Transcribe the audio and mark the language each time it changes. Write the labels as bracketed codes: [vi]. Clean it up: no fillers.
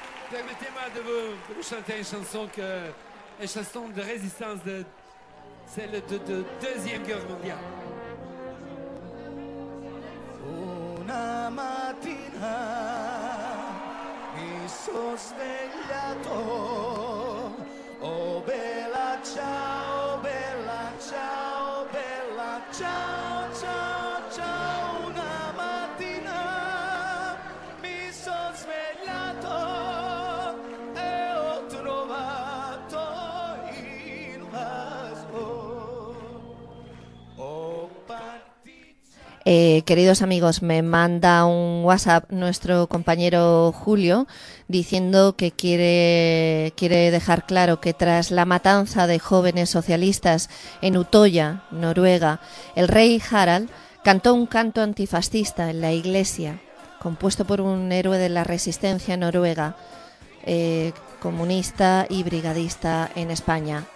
[fr] Permettez-moi de vous chanter une chanson que une chanson de résistance de celle de deuxième guerre mondiale. [it] Una mattina mi sono svegliato, oh bella ciao, bella ciao, bella ciao, ciao, ciao. Una mattina mi sono svegliato e ho trovato il vaso. Oh partigiano. [es] Queridos amigos, me manda un WhatsApp nuestro compañero Julio diciendo que quiere dejar claro que tras la matanza de jóvenes socialistas en Utøya, Noruega, el rey Harald cantó un canto antifascista en la iglesia, compuesto por un héroe de la resistencia noruega, comunista y brigadista en España.